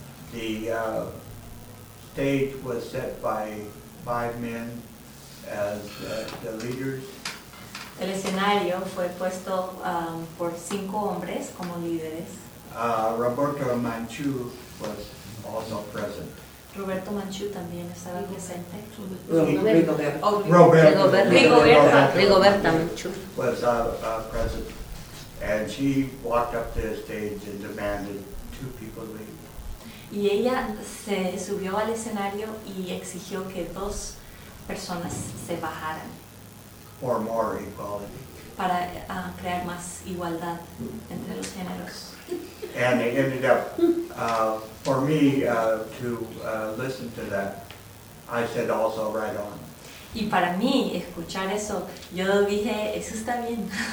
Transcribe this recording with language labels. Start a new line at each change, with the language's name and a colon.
English: The stage was set by 5 men as the leaders.
Spanish: El escenario fue puesto por 5 hombres como líderes.
English: Roberto Manchu was also present.
Spanish: Roberto Manchu también estaba presente.
English: Rigoberta Manchu was present, and she walked up to the stage and demanded 2 people leave.
Spanish: Y ella se subió al escenario y exigió que 2 personas se bajaran.
English: For more equality.
Spanish: Para crear más igualdad entre los géneros.
English: And it ended up for me to listen to that. I said also right on.
Spanish: Y para mí escuchar eso, yo dije eso está bien.